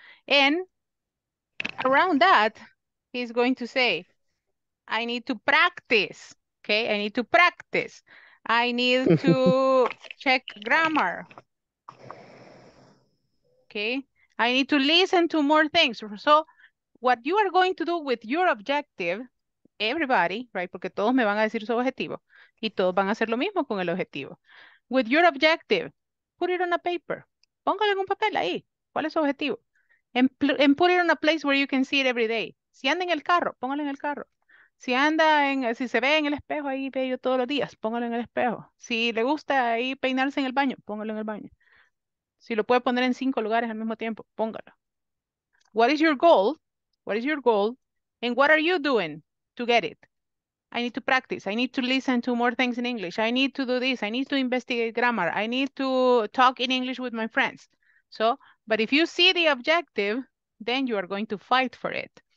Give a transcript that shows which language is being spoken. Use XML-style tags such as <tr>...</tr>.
<en>And around that, he's going to say, I need to practice, okay? I need to practice. I need to check grammar, okay? I need to listen to more things. So what you are going to do with your objective, everybody, right?</en> <es>Porque todos me van a decir su objetivo. Y todos van a hacer lo mismo con el objetivo.</es> <en>With your objective, put it on a paper.</en> <es>Póngalo en un papel ahí. ¿Cuál es su objetivo?</es> <en>And put it on a place where you can see it every day.</en> <es>Si anda en el carro, póngalo en el carro. Si anda en, si se ve en el espejo ahí bello todos los días, póngalo en el espejo. Si le gusta ahí peinarse en el baño, póngalo en el baño. Si lo puede poner en cinco lugares al mismo tiempo, póngalo.</es> <en>What is your goal? What is your goal? And what are you doing to get it? I need to practice. I need to listen to more things in English. I need to do this. I need to investigate grammar. I need to talk in English with my friends. So, but if you see the objective, then you are going to fight for it.</en>